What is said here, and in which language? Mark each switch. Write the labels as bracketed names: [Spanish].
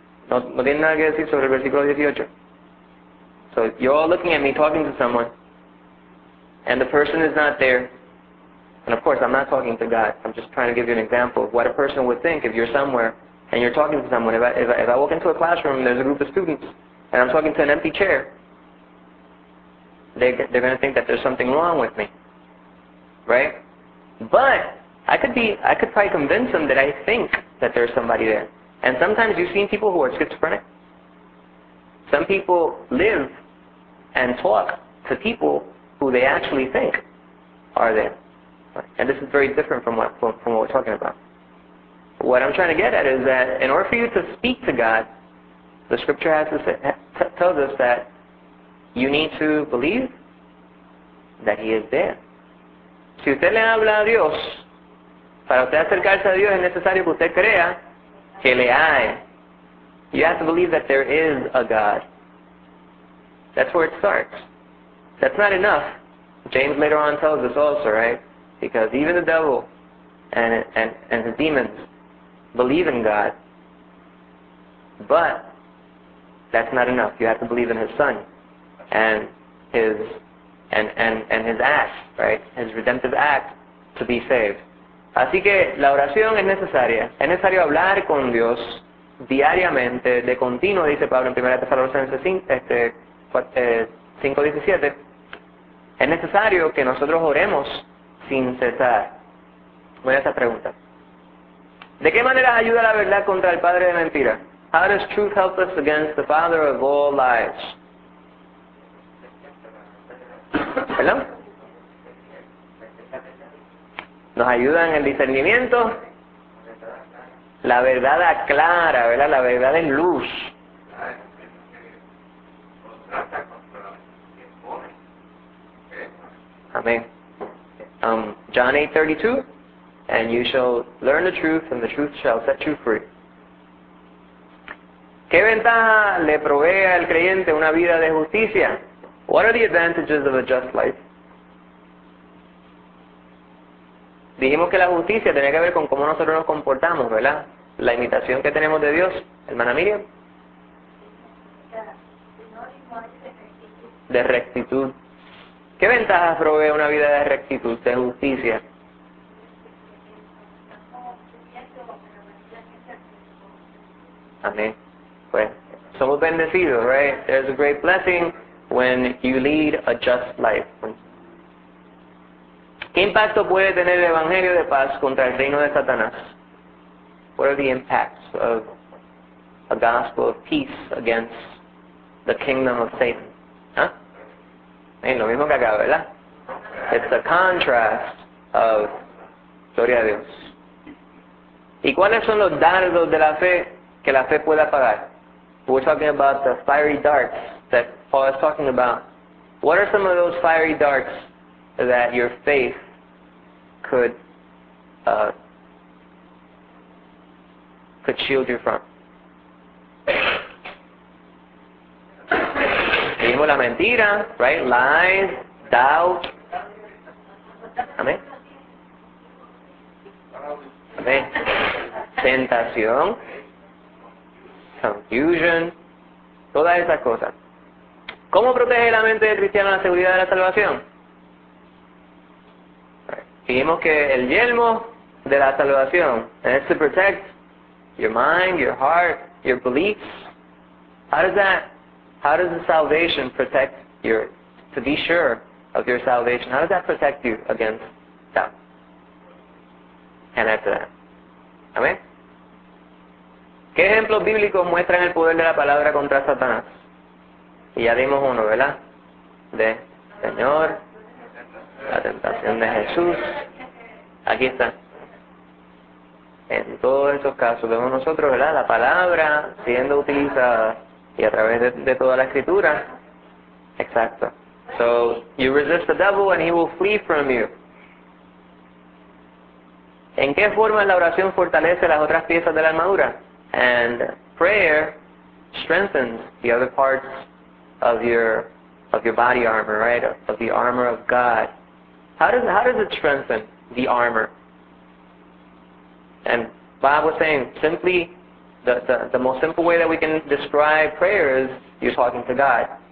[Spanish] No tiene nada que decir sobre el versículo 18. [English] So you're all looking at me talking to someone, and the person is not there. And of course, I'm not talking to God. I'm just trying to give you an example of what a person would think if you're somewhere and you're talking to someone. If I walk into a classroom and there's a group of students and I'm talking to an empty chair, they're going to think that there's something wrong with me. Right? But I could probably convince them that I think that there's somebody there. And sometimes you've seen people who are schizophrenic. Some people live and talk to people who they actually think are there. And this is very different from what we're talking about. What I'm trying to get at is that in order for you to speak to God, the scripture tells us that you need to believe that He is there. [Spanish] Si usted le habla a Dios, para usted acercarse a Dios es necesario que usted crea que le hay. [English] You have to believe that there is a God. That's where it starts. That's not enough. James later on tells us also, right? Because even the devil and his demons believe in God. But that's not enough. You have to believe in his son and his and his act, right? His redemptive act to be saved. [Spanish] Así que la oración es necesaria. Es necesario hablar con Dios diariamente, de continuo, dice Pablo en 1 Tesalonicenses 5:17. Es necesario que nosotros oremos sin cesar. Voy a esa pregunta. ¿De qué manera ayuda la verdad contra el padre de mentira? [English] How does truth help us against the father of all lies? [Spanish] ¿Perdón? Nos ayuda en el discernimiento. La verdad aclara, ¿verdad? La verdad en luz. [English] Amén. John 8:32. And you shall learn the truth, and the truth shall set you free. [Spanish] ¿Qué ventaja le provee al creyente una vida de justicia? [English] What are the advantages of a just life? [Spanish] Dijimos que la justicia tenía que ver con cómo nosotros nos comportamos, ¿verdad? La imitación que tenemos de Dios, hermana Miriam. De rectitud. ¿Qué ventaja provee una vida de rectitud, de justicia? Amén. Pues, somos bendecidos, right? [English] There's a great blessing when you lead a just life. [Spanish] ¿Qué impacto puede tener el Evangelio de paz contra el reino de Satanás? [English] What are the impacts of a gospel of peace against the kingdom of Satan? [Spanish] ¿Ah? Es lo mismo que acá, ¿verdad? [English] It's a contrast of [Spanish] gloria a Dios. ¿Y cuáles son los dardos de la fe que la fe pueda apagar? [English] We're talking about the fiery darts that Paul is talking about. What are some of those fiery darts that your faith could shield you from? [Spanish] Vimos la mentira, right? [English] Lies, doubt. [Spanish] Amén. Amén. Tentación. Confusion, todas esas cosas. ¿Cómo protege la mente del cristiano la seguridad de la salvación? Dijimos que el yelmo de la salvación es [English] to protect your mind, your heart, your beliefs. How does the salvation protect your, to be sure of your salvation, how does that protect you against doubt? And after that. Amen. [Spanish] ¿Qué ejemplos bíblicos muestran el poder de la palabra contra Satanás? Y ya dimos uno, ¿verdad? De Señor, la tentación de Jesús. Aquí está. En todos esos casos vemos nosotros, ¿verdad? La palabra siendo utilizada y a través de toda la escritura. Exacto. [English] So, you resist the devil and he will flee from you. ¿En qué forma la oración fortalece las otras piezas de la armadura? And prayer strengthens the other parts of your body armor, right? Of the armor of God. How does it strengthen the armor? And Bob was saying, simply, the most simple way that we can describe prayer is you're talking to God.